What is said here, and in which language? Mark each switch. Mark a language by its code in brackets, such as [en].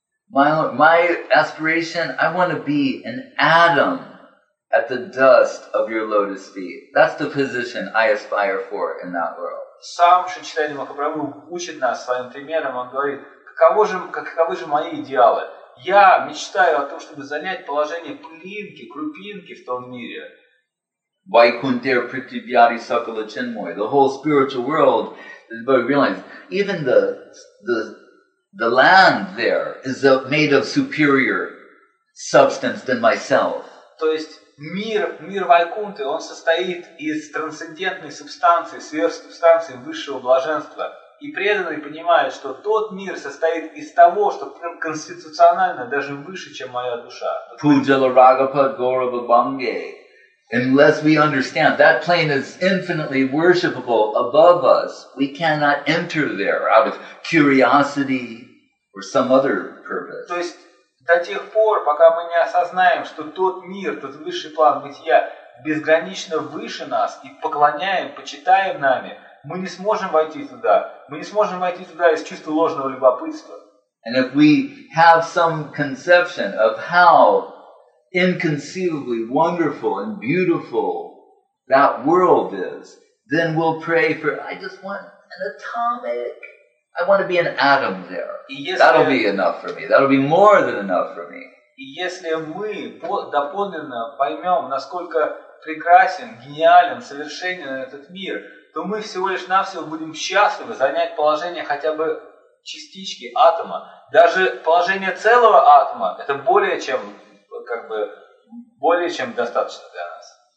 [en] My aspiration, I want to be an atom at the dust of your lotus feet. That's the position I aspire for in that world. [ru] Сам Шри Чайтанья Махапрабху учит нас своим примером, он говорит, Каковы же мои идеалы? Я мечтаю о том, чтобы занять положение пылинки, крупинки в том мире. [sa] Vaikunthe prithivyari sakala chinmoy. [en] The whole spiritual world, everybody realizes, even the land there is made of superior substance than myself. [ru] То есть мир Вайкунты, он состоит из трансцендентной субстанции, сверхсубстанции высшего блаженства. И преданные понимают, что тот мир состоит из того, что конституционально даже выше, чем моя душа. [sa] Пуджала Рагапа Гораба Бхамге. [en] Unless we understand that plane is infinitely worshipable above us, we cannot enter there out of curiosity or some other purpose. [ru] То есть до тех пор, пока мы не осознаем, что тот мир, тот высший план бытия безгранично выше нас и поклоняем, почитаем нами, мы не сможем войти туда. Мы не сможем войти туда из чувства ложного любопытства. [en] And if we have some conception of how inconceivably wonderful and beautiful that world is, then we'll pray for, I just want an atomic, I want to be an atom there. That'll be enough for me. That'll be more than enough for me. [ru] И если мы доподлинно поймем, насколько прекрасен, гениален, совершенен этот мир, то мы всего лишь навсего будем счастливы занять положение хотя бы частички атома. Даже положение целого атома – это более чем, как бы, более чем достаточно для нас.